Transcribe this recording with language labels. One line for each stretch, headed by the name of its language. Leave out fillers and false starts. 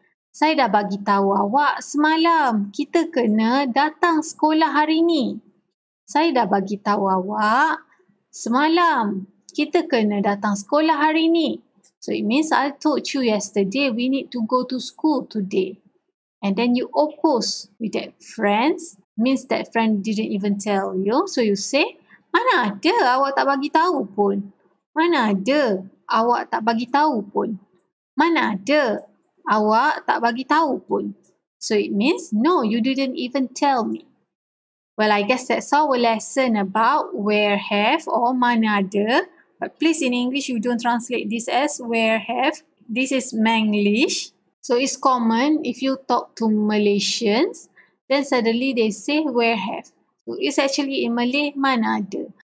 Malay: Saya dah bagi tahu awak semalam, kita kena datang sekolah hari ini. Saya dah bagi tahu awak semalam, kita kena datang sekolah hari ini.
English: So it means I told you yesterday we need to go to school today. And then you oppose with that friends. Means that friend didn't even tell you. So you say,
Malay: mana ada awak tak bagi tahu pun? Mana ada awak tak bagi tahu pun? Mana ada awak tak bagi tahu pun?
English: So it means, no, you didn't even tell me. Well, I guess that's our lesson about where have or mana ada. But please, in English, you don't translate this as where have. This is Manglish. So it's common if you talk to Malaysians, then suddenly they say where have. So it's actually in Malay,
Malay: mana ada.